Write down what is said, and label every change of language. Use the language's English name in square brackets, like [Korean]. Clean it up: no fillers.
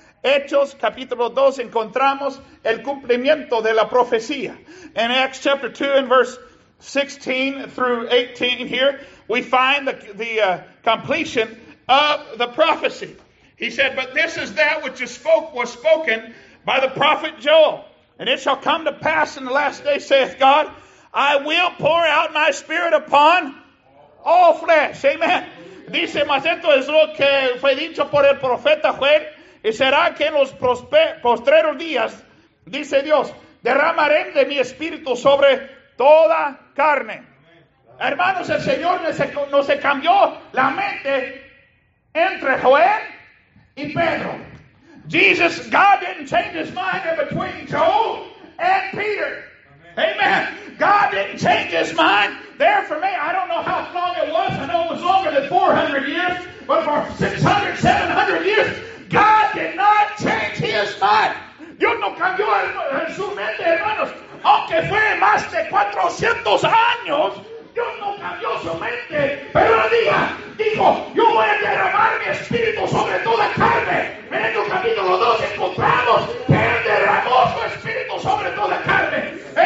[Spanish] Hechos capítulo 2 encontramos el cumplimiento de la profecía. [English] In Acts chapter 2 and verse 16 through 18 here, we find the completion of the prophecy. He said, but this is that which was spoken by the prophet Joel. And it shall come to pass in the last day, saith God, I will pour out my spirit upon All flesh, amen. [Spanish] Dice, mas esto es lo que fue dicho por el profeta Joel. Y será que en los postreros días, dice Dios, derramaré de mi espíritu sobre toda carne. Hermanos, el Señor no se cambió la mente entre Joel y Pedro. [English] Jesus, God didn't change his mind in between Joel and Peter. Amen. God didn't change his mind there for me. I don't know how long it was. I know it was longer than 400 years. But for 600, 700 years, God did not change his mind. [Spanish] Dios no cambió en su mente, hermanos. Aunque fue más de 400 años, Dios no cambió su mente. Pero un día dijo, yo voy a derramar mi espíritu sobre toda carne. En el capítulo 2 encontramos que él derramó su espíritu sobre toda carne.